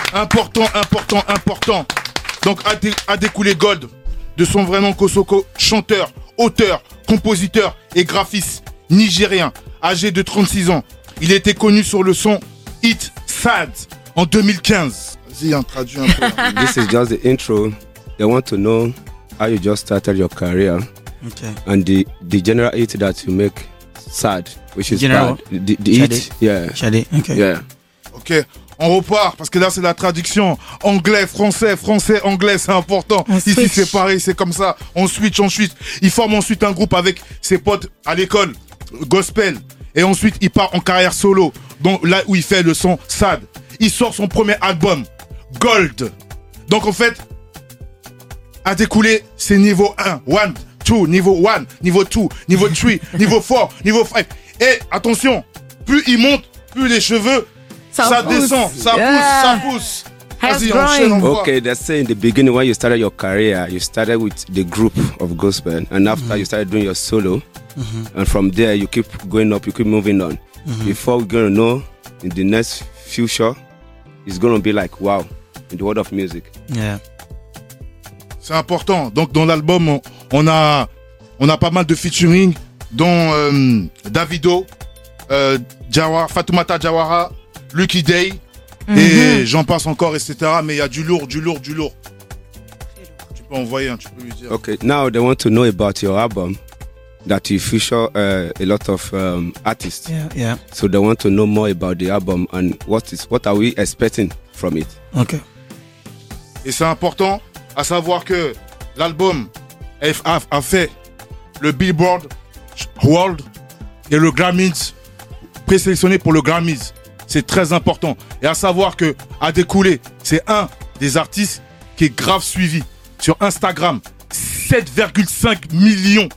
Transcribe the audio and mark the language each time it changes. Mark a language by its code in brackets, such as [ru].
[fr] Important, important, important. Donc, Adekoulé Gold, de son vrai nom Kosoko, chanteur, auteur, compositeur et graphiste nigérien, âgé de 36 ans. Il était connu sur le son Hit Sad en 2015. Vas-y, traduis un peu. [en] This is just the intro. They want to know how you just started your career. Okay. And the general hit that you make, Sad, which is general. Bad. The hit, yeah. Chalet, okay. Yeah. [fr] Ok, on repart, parce que là c'est la traduction. Anglais, français, français, anglais, c'est important. Ici c'est pareil, c'est comme ça. On switch. Il forme ensuite un groupe avec ses potes à l'école, gospel. Et ensuite il part en carrière solo, donc là où il fait le son Sad. Il sort son premier album, Gold. Donc en fait, à découler, c'est niveau 1, 1, 2, niveau 1, niveau 2, niveau 3, niveau 4, niveau 5. Et attention, plus il monte, plus les cheveux, ça descend, ça pousse, ça pousse. Vas-y, enchaîne. [en] Okay, they say in the beginning when you started your career, you started with the group of gospel, and after you started doing your solo, and from there you keep going up, you keep moving on. Before we're going to know, in the next future, it's going to be like, wow, in the world of music. Yeah. [fr] C'est important. Donc dans l'album, on a pas mal de featuring, dont Davido, Jawara, Fatoumata Jawara, Lucky Day, et j'en passe encore, etc. Mais il y a du lourd. Tu peux envoyer, tu peux lui dire. [en] Okay, now they want to know about your album that you feature a lot of artists. Yeah, yeah. So they want to know more about the album and what are we expecting from it. Okay. [fr] Et c'est important à savoir que l'album FA a fait le Billboard World et le Grammys, présélectionné pour le Grammys. C'est très important. Et à savoir que Adekoulé, c'est un des artistes qui est grave suivi sur Instagram, 7,5 millions.